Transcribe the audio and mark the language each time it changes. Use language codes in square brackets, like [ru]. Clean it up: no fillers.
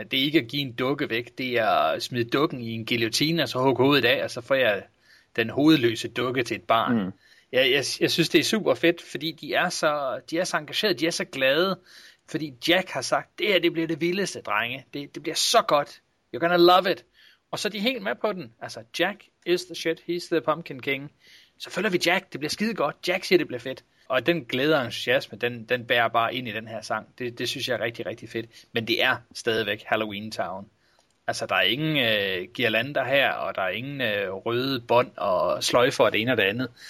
[da] Det er ikke at give en dukke væk, det er at smide dukken i en guillotine, og så hugge hovedet af, og så får jeg den hovedløse dukke til et barn. Mm. Jeg synes, det er super fedt, fordi de er så engagerede, de er så glade, fordi Jack har sagt, det her det bliver det vildeste, drenge. Det bliver så godt. [en] You're gonna love it. [da] Og så er de helt med på den. Altså, [en] Jack is the shit, he's the pumpkin king. [da] Så følger vi Jack, det bliver skide godt. Jack siger, det bliver fedt. Og den glæde og entusiasme, den bærer bare ind i den her sang. Det synes jeg er rigtig, rigtig fedt. Men det er stadigvæk Halloween Town. Altså, der er ingen guirlander her, og der er ingen røde bånd og sløjfer og det ene og det andet.